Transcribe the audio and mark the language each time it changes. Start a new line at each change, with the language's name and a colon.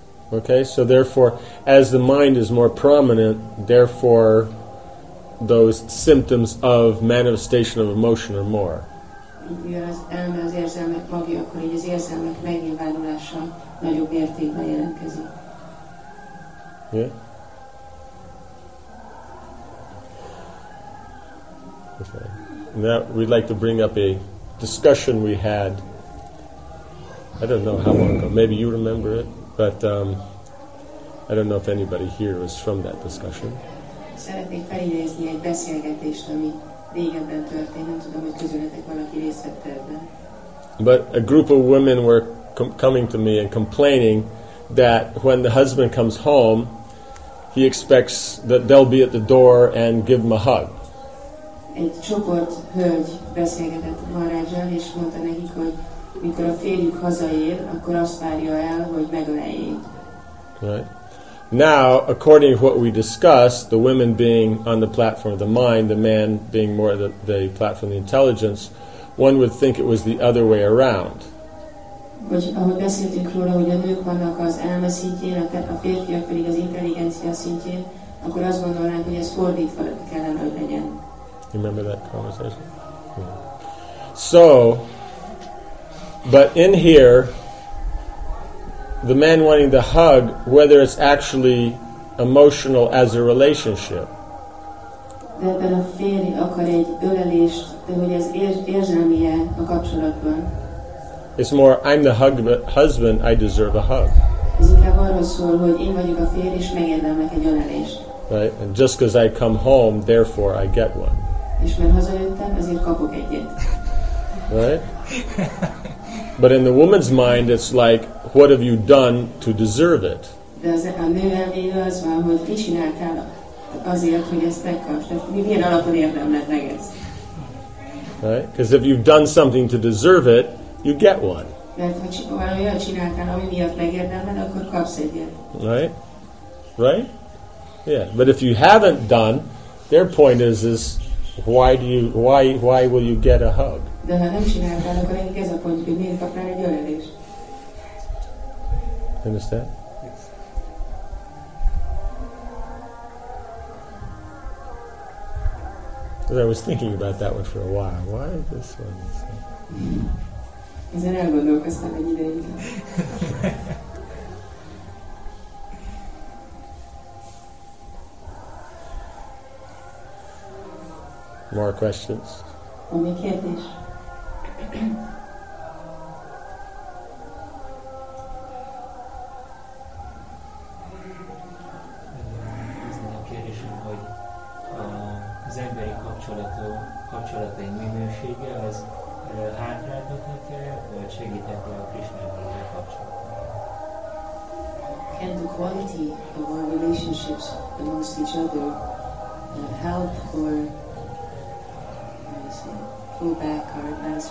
English: Okay, so therefore, as the mind is more prominent, therefore, those symptoms of manifestation of emotion are more.
Hungarian: Mivel az elme az érzelmek magja, akkor így az érzelmek megnyilvánulása nagyobb értékben jelentkezik.
English: Yeah. Okay. Now we'd like to bring up a discussion we had. I don't know how long ago. Maybe you remember it, but I don't know if anybody here was from that discussion.
Hungarian: Szeretnék felidézni egy beszélgetést, ami régebben történt. Nem tudom, hogy közületek valaki részt vett ebben.
English: But a group of women were coming to me and complaining that when the husband comes home, he expects that they'll be at the door and give him a hug.
Hungarian: Egy csoport hölgy beszélgetett Maharajjal, és mondta nekik, hogy mikor a férjük hazaér, akkor azt várja el, hogy megöleljék.
English: Right. Now, according to what we discussed, the women being on the platform of the mind, the man being more the platform of the intelligence, one would think it was the other way around.
Hungarian: Hogy ahogy beszéltünk róla, hogy a nők vannak az elme szintjén, a férfiak pedig az intelligencia szintjén, akkor azt gondolnánk, hogy ez fordítva kellene, hogy legyen.
English: You remember that conversation? Yeah. So, but in here, the man wanting the hug, whether it's actually emotional as a relationship.
Hungarian: De ebben a férj akar egy ölelést, de hogy ez érzelmi-e a kapcsolatban.
English: It's more, I'm the hug, husband, I deserve a hug.
Hungarian: Ez inkább arról szól, hogy én vagyok a férj, és megérdemlek egy ölelést.
English: Right? And just because I come home, therefore I get one.
Hungarian: És mert hazajöttem, ezért kapok egyet.
English: Right? But in the woman's mind, it's like, what have you done to deserve it?
Hungarian: De az a nő elvédő az van, hogy mit csináltál azért, hogy ezt megkapsz? Tehát milyen alapon érdemled meg ezt?
English: Right? Because if you've done something to deserve it, you get one.
Hungarian: Mert ha valami olyan csináltál, ami miatt megérdemled, akkor kapsz egyet.
English: Right? Right? Yeah. But if you haven't done, their point is why will you get a hug?
Hungarian: De ha nem csináltál, akkor nekik ez a pont, hogy miért kapnál egy ölelést.
English: Understand? Yes. Because I was thinking about that one for a while. Why this one? Is so...
Hungarian: Ezen elgondolkoztam egy ideig.
English: More questions?
Hungarian: Only kérdés. Ez a kérdésem, hogy az emberi kapcsolatai minősége az hátráltatja, vagy segítette a Krisnával kapcsolatban?
English: Can the quality of our relationships amongst each other help or pull back or advance